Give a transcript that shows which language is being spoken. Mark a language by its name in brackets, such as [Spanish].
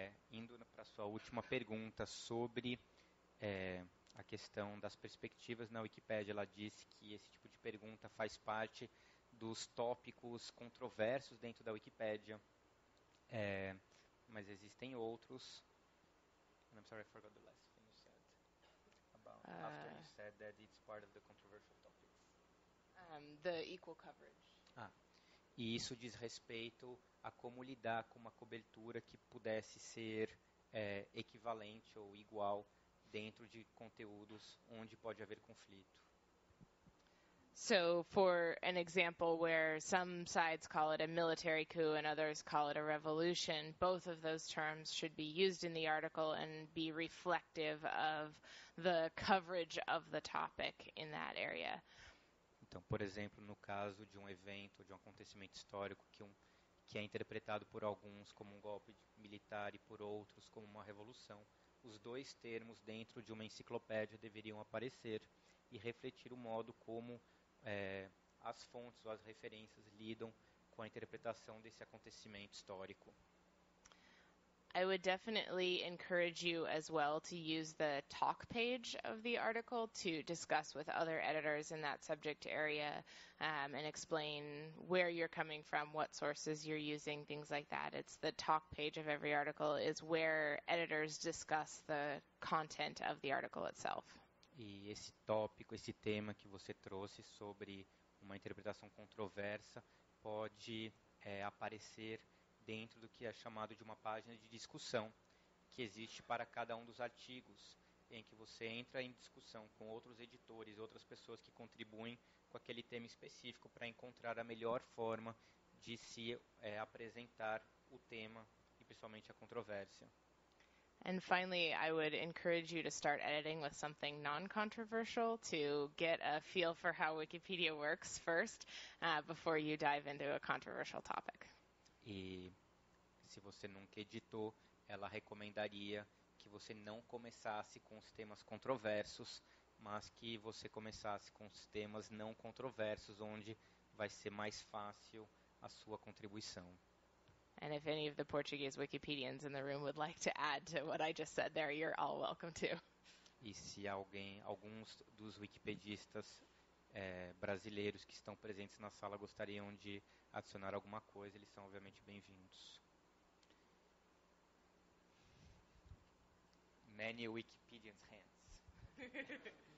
[Portuguese] indo para a sua última pergunta sobre a questão das perspectivas na Wikipédia, ela disse que esse tipo de pergunta faz parte dos tópicos controversos dentro da Wikipédia, mas existem outros. [English] And I'm sorry, I forgot the last thing you said. About after you said that it's part of the controversial topics. The equal coverage. [Portuguese] Ah, e isso diz respeito a como lidar com uma cobertura que pudesse ser equivalente ou igual dentro de conteúdos onde pode haver conflito. [English] So, for an example where some sides call it a military coup and others call it a revolution, both of those terms should be used in the article and be reflective of the coverage of the topic in that area. [Portuguese] Então, por exemplo, no caso de um evento, de um acontecimento histórico que é interpretado por alguns como um golpe militar e por outros como uma revolução, os dois termos dentro de uma enciclopédia deveriam aparecer e refletir o modo como as fontes ou as referências lidam com a interpretação desse acontecimento histórico. [English] I would definitely encourage you as well to use the talk page of the article to discuss with other editors in that subject area and explain where you're coming from, what sources you're using, things like that. It's the talk page of every article is where editors discuss the content of the article itself. [Portuguese] e esse tópico, esse tema que você trouxe sobre uma interpretação controversa pode aparecer dentro do que é chamado de uma página de discussão que existe para cada um dos artigos, em que você entra em discussão com outros editores, outras pessoas que contribuem com aquele tema específico para encontrar a melhor forma de se apresentar o tema e, principalmente, a controvérsia. [English] And finally, I would encourage you to start editing with something non-controversial to get a feel for how Wikipedia works first, before you dive into a controversial topic. [Portuguese] E se você nunca editou, ela recomendaria que você não começasse com os temas controversos, mas que você começasse com os temas não controversos, onde vai ser mais fácil a sua contribuição. [English] And if any of the Portuguese Wikipedians in the room would like to add to what I just said there, you're all welcome to. [Portuguese] E se alguns dos wikipedistas brasileiros que estão presentes na sala gostariam de adicionar alguma coisa, eles são obviamente bem-vindos. [English] Many Wikipedians hands.